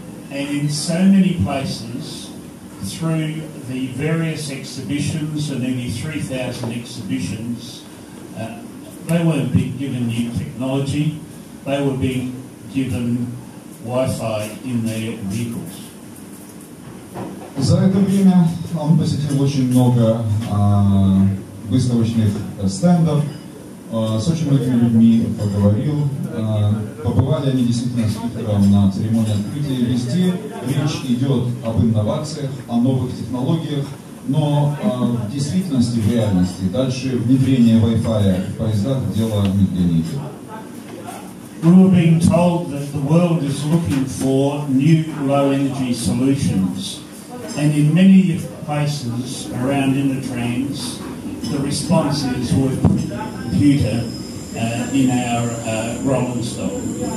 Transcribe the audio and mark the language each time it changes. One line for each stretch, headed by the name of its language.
English: And in so many places, through the various exhibitions, and nearly 3,000 exhibitions, they weren't being given new technology, they were being given Wi-Fi in their vehicles.
Russian: За это время он посетил очень много выставочных стендов, с очень многими людьми поговорил. Побывали они действительно спикером на церемонии открытия. Везде речь идет об инновациях, о новых технологиях, но в действительности, в реальности, дальше внедрение Wi-Fi в поездах – дело не для них.
English: We were being told that the world is looking for new low-energy solutions. And in many places around Innotrans, the response is we've put the computer in our rolling stock.